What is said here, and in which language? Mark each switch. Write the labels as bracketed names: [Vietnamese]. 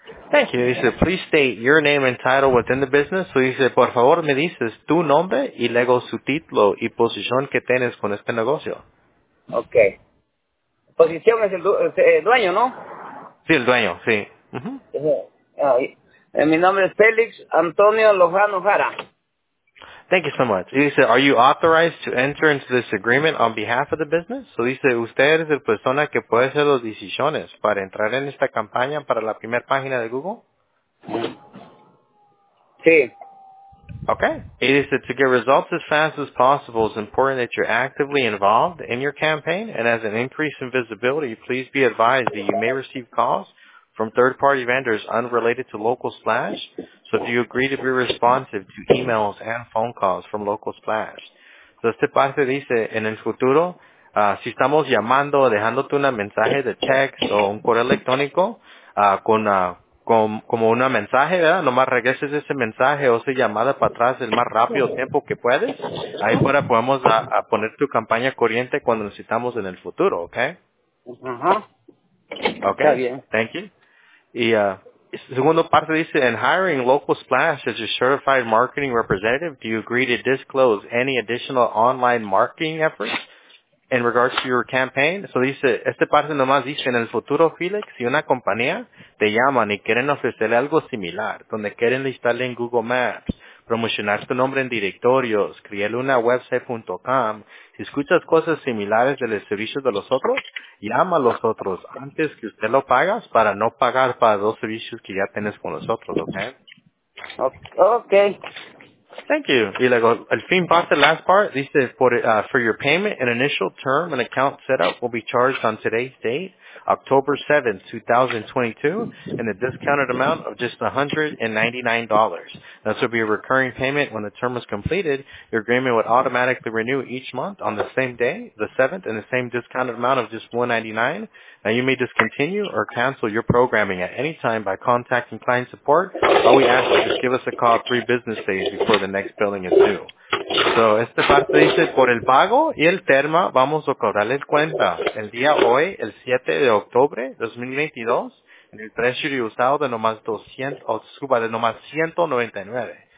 [English] Thank you. He said, please state your name and title within the business. So he said, [Spanish] por favor, me dices tu nombre y luego su título y posición que tienes con este negocio. Okay. Posición es el dueño, ¿no? Sí, el dueño, sí. Uh-huh. Mi nombre es Félix Antonio Lozano Jara. [English] Thank you so much. He said, are you authorized to enter into this agreement on behalf of the business? So he said, [Spanish] usted es la persona que puede hacer las decisiones para entrar en esta campaña para la primera página de Google? Sí. [English] Okay. He said, to get results as fast as possible, it's important that you're actively involved in your campaign. And as an increase in visibility, please be advised that you may receive calls from third-party vendors unrelated to Local Splash. So do you agree to be responsive to emails and phone calls from Local Splash? [Spanish] So esta parte dice, en el futuro, si estamos llamando, dejándote un mensaje de text o un correo electrónico, como un mensaje, ¿verdad? Nomás regreses ese mensaje o esa llamada para atrás el más rápido tiempo que puedes. Ahí fuera podemos a poner tu campaña corriente cuando necesitamos en el futuro, ¿ok? Uh-huh. [English] Okay. [Spanish] Está bien. [English] Thank you. [Spanish] Segundo parte dice, [English] in hiring Local Splash as your certified marketing representative, do you agree to disclose any additional online marketing efforts in regards to your campaign? [Spanish] So dice, esta parte nomás dice, en el futuro, Felix, si una compañía te llaman y quieren ofrecerle algo similar, donde quieren listarle en Google Maps, promocionar tu nombre en directorios, crearle una website.com, si escuchas cosas similares del servicio de los otros, llama a los otros antes que usted lo pagas para no pagar para dos servicios que ya tienes con los otros, ¿ok? [English] Ok. Thank you. [Spanish] Y luego, el fin parte, [English] last part, [Spanish] dice, [English] for your payment, an initial term and account setup will be charged on today's date, October 7th, 2022, and a discounted amount of just $199. This will be a recurring payment when the term is completed. Your agreement would automatically renew each month on the same day, the 7th, and the same discounted amount of just $199. Now, you may discontinue or cancel your programming at any time by contacting client support. All we ask is just give us a call 3 business days before the next billing is due. [Spanish] So, esta parte dice, por el pago y el termo, vamos a cobrarle cuenta el día hoy, el 7 de octubre 2022, en el precio de usado de nomás $199.